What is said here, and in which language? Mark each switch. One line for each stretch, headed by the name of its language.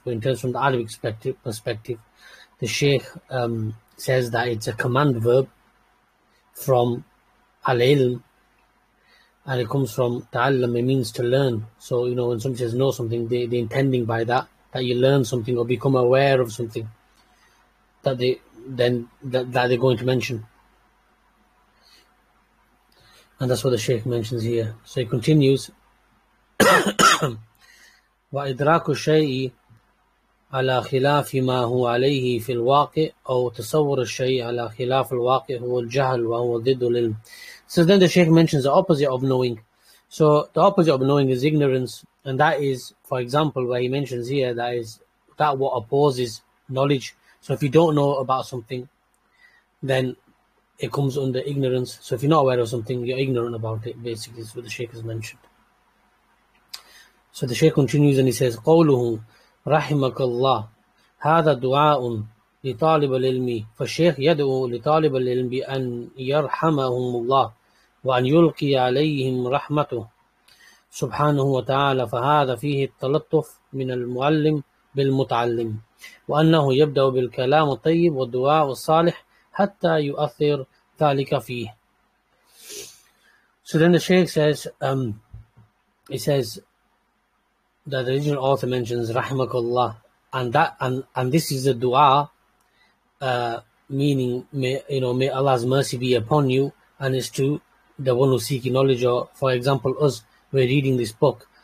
English: But in terms from the Arabic perspective, the Shaykh says that it's a command verb from al-ilm, and it comes from ta'allam, it means to learn. So, you know, when somebody says know something, they're intending by that you learn something or become aware of something that they're going to mention. And that's what the Shaykh mentions here. So he continues,
Arabic: وَإِدْرَاكُ الشَّيْءِ عَلَىٰ خِلَافِ مَا هُوَ عَلَيْهِ فِي الْوَاقِعِ أَوْ تَصَوَّرُ الشَّيْءِ عَلَىٰ خِلَافِ الْوَاقِعِ هُوَ الْجَهْلُ وَهُوَ ضِدُّ الْعِلْمِ.
English: So then the Shaykh mentions the opposite of knowing. So the opposite of knowing is ignorance. And that is, for example, where he mentions here, that is that what opposes knowledge. So if you don't know about something, then it comes under ignorance. So if you're not aware of something, you're ignorant about it, basically, is what the Shaykh has mentioned. So the Shaykh continues and he says,
Arabic: قَوْلُهُ رَحِمَكَ اللَّهُ هَذَا دُعَاءٌ لِطَالِبَ الْعِلْمِ فَالشَّيْخ يَدْعُوا لِطَالِبَ الْعِلْمِ بِأَنْ يَرْحَمَهُمُ اللَّهُ وَأَنْ يُلْقِيَ عَلَيْهِمْ رَحْمَتُهُ سُبْحَانَهُ وَتَعَالَى فَهَذَا فِيهِ التَّلَطُّفُ مِنَ الْمُعَلِّمِ بِالْمُتَعَلِّمِ وَأَنَّهُ يَبْدَأُ بِالْكَلَامِ الطَّيِّبِ وَالدُّعَاءِ الصَّالِحِ حَتَّى يُؤَثِّرْ ذَلِكَ فِيهِ.
English: So then the Shaykh says, he says that the original author mentions Rahmakullah, And this is a dua, meaning, may Allah's mercy be upon you, and it's to the one who's seeking knowledge, or, for example, us, we're reading this book.